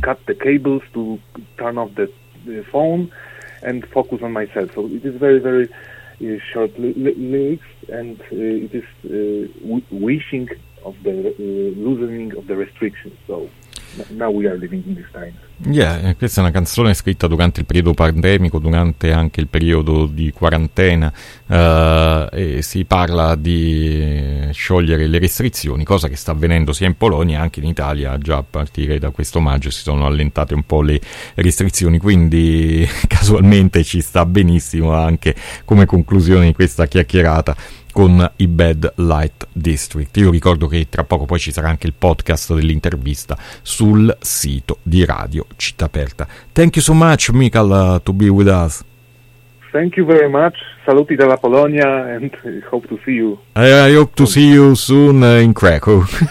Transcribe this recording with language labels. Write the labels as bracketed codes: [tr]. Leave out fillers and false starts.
[en] Cut the cables, to turn off the phone and focus on myself. So it is very, very short lyrics, and it is wishing of the loosening of the restrictions. So now we are living in this time. [it] Yeah, questa è una canzone scritta durante il periodo pandemico, durante anche il periodo di quarantena, e si parla di sciogliere le restrizioni, cosa che sta avvenendo sia in Polonia anche in Italia. Già a partire da questo maggio si sono allentate un po' le restrizioni, quindi casualmente ci sta benissimo anche come conclusione di questa chiacchierata con i Bad Light District. Io ricordo che tra poco poi ci sarà anche il podcast dell'intervista sul sito di Radio Città Aperta. [en] Thank you so much, Michal, to be with us. Thank you very much. [it] Saluti dalla Polonia [en] and hope to see you. I hope to see you soon in Krakow.